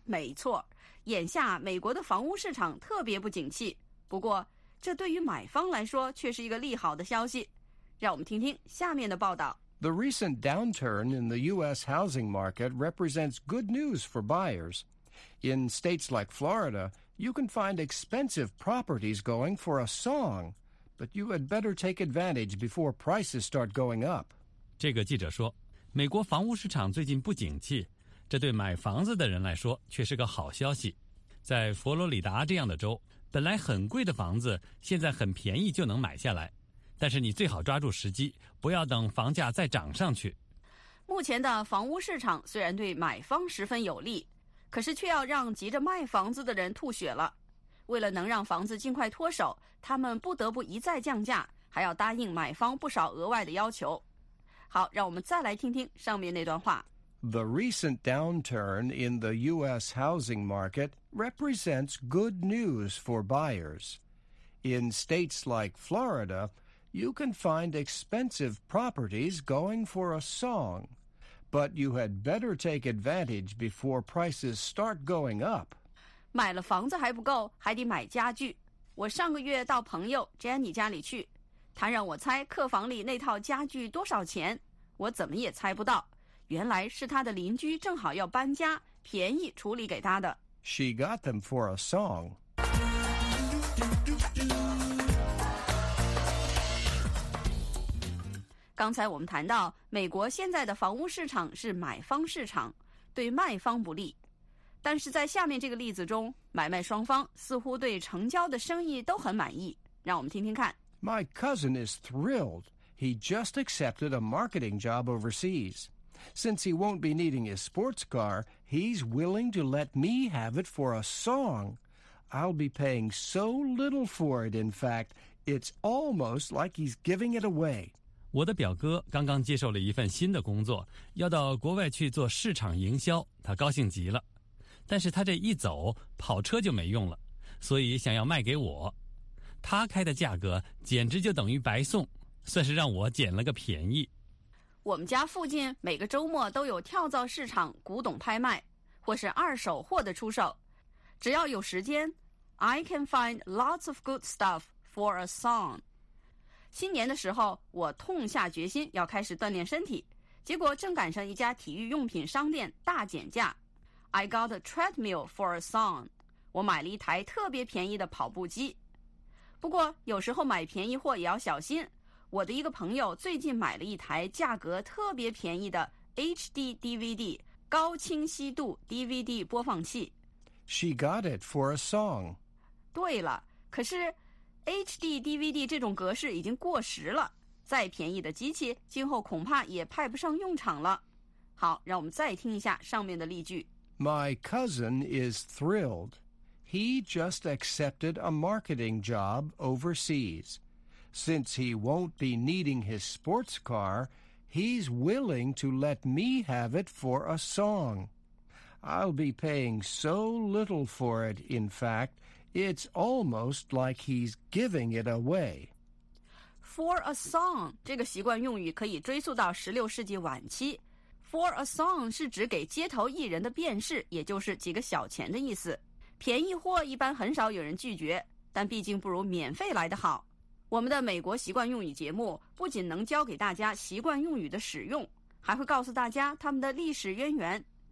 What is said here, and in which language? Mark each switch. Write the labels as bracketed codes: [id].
[zh] 没错，眼下美国的房屋市场特别不景气，不过这对于买方来说却是一个利好的消息。让我们听听下面的报道。 [en] The recent downturn in the U.S. housing market represents good news for buyers. In states like Florida, you can find expensive properties going for a song, but you had better take advantage before prices start going up. [zh] 这个记者说美国房屋市场最近不景气，这对买房子的人来说却是个好消息。在佛罗里达这样的州，本来很贵的房子现在很便宜就能买下来，但是你最好抓住时机，不要等房价再涨上去。目前的房屋市场虽然对买方十分有利，可是却要让急着卖房子的人吐血了。为了能让房子尽快脱手，他们不得不一再降价，还要答应买方不少额外的要求。好，让我们再来听听上面那段话。 [en] The recent downturn in the U.S. housing market represents good news for buyers. In states like Florida, you can find expensive properties going for a song. But you had better take advantage before prices start going up. [zh] 买了房子还不够，还得买家具。我上个月到朋友 Jenny 家里去，她让我猜客房里那套家具多少钱，我怎么也猜不到。原来是她的邻居正好要搬家，便宜处理给她的。 [en] She got them for a song. [zh] 刚才我们谈到，美国现在的房屋市场是买方市场，对卖方不利。但是在下面这个例子中，买卖双方似乎对成交的生意都很满意。让我们听听看。 [en] My cousin is thrilled. He just accepted a marketing job overseas. Since he won't be needing his sports car, he's willing to let me have it for a song. I'll be paying so little for it, in fact, it's almost like he's giving it away. [zh] 我的表哥刚刚接受了一份新的工作，要到国外去做市场营销，他高兴极了。但是他这一走，跑车就没用了，所以想要卖给我。他开的价格简直就等于白送，算是让我捡了个便宜。我们家附近每个周末都有跳蚤市场古董拍卖，或是二手货的出售。只要有时间 [en] ，I can find lots of good stuff for a song. [zh] 新年的时候，我痛下决心要开始锻炼身体，结果正赶上一家体育用品商店大减价。 [en] I got a treadmill for a song. [zh] 我买了一台特别便宜的跑步机。不过，有时候买便宜货也要小心。我的一个朋友最近买了一台价格特别便宜的 HD DVD 高清晰度 DVD 播放器。 [en] She got it for a song. [zh] 对了，可是HD DVD 这种格式已经过时了，再便宜的机器今后恐怕也派不上用场了。好，让我们再听一下上面的例句。 [en] My cousin is thrilled. He just accepted a marketing job overseas. Since he won't be needing his sports car, he's willing to let me have it for a song. I'll be paying so little for it, in fact,It's almost like he's giving it away. [zh] For a song, 这个习惯用语可以追溯到16世纪晚期。 For a song 是指给街头艺人的便士，也就是几个小钱的意思。便宜货一般很少有人拒绝，但毕竟不如免费来得好。我们的美国习惯用语节目不仅能教给大家习惯用语的使用，还会告诉大家他们的历史渊源。